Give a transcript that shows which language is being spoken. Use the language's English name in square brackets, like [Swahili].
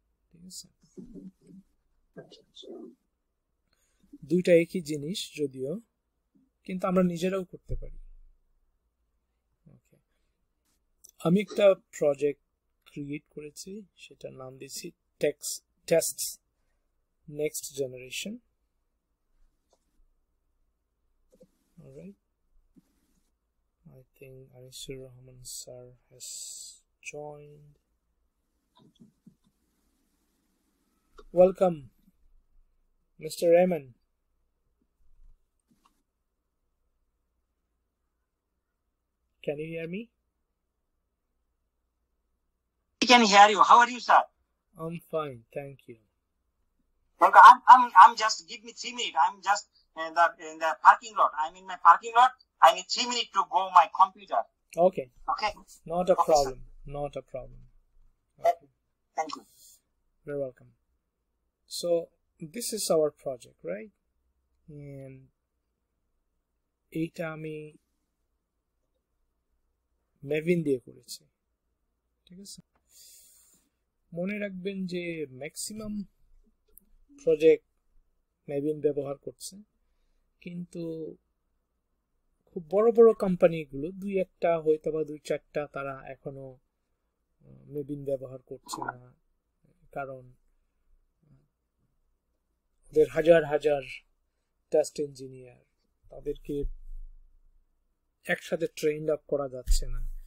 [Bangla] ঠিক আছে, দুইটা একই জিনিস যদিও, কিন্তু আমরা নিজেরাও করতে পারি। আমি একটা প্রজেক্ট ক্রিয়েট করেছি, সেটার নাম দিয়েছি test next generation. [English] I think Anisur Rahman sir has joined. Welcome, Mr. Rahman. Can you hear me? I can hear you. How are you, sir? I'm fine, thank you. I'm just give me 3 minutes. I'm just in the parking lot. I'm in my parking lot. I need 3 minutes to go my computer. Okay. Okay. Not a okay, problem. Sir. Not a problem. Okay. Thank you. You're welcome. So this is our project, right? And [Bangla] এটা আমি মেভিন দিয়ে করেছি। ঠিক আছে, মনে রাখবেন যে maximum project মেভিন ব্যবহার করছে, কিন্তু খুব বড় বড় কোম্পানিগুলো দুই একটা হয়তো বা দুই চারটা তারা এখনো মেভিন ব্যবহার করছে না, কারণ ওদের হাজার হাজার টেস্ট ইঞ্জিনিয়ার, তাদেরকে একসাথে ট্রেন্ড আপ করা যাচ্ছে না।